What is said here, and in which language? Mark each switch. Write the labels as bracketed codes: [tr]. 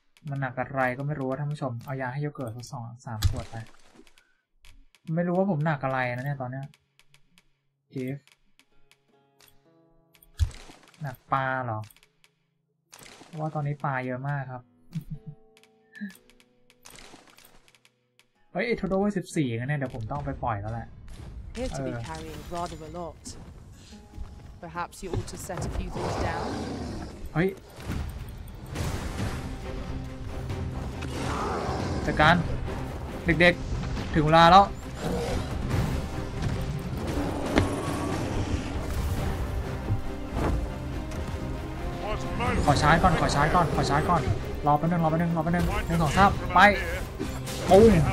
[th] มันหนักอะไรก็ไม่รู้ว่าท่านผู้ชมเอายาให้โยเกิร์ตทั้งสองสามขวดไปไม่รู้ว่าผมหนักอะไรนะเนี่ยตอนเนี้ยกิฟหนักปลาเหรอว่าตอนนี้ปลาเยอะมากครับเฮ้ยทูโดไว้14นะเนี่ยเดี๋ยวผมต้องไปปล่อยแล้วแหละ [en] Here to be carrying rather a lot. Perhaps you ought to set a few things down. [th] เฮ้ยจัดการเด็กๆถึงเวลาแล้วขอชาร์จก่อนขอชาร์จก่อนขอชาร์จก่อนรอแป๊บนึงรอแป๊บนึงรอแป๊บนึงหนึ่งสองสามไปปุ้ง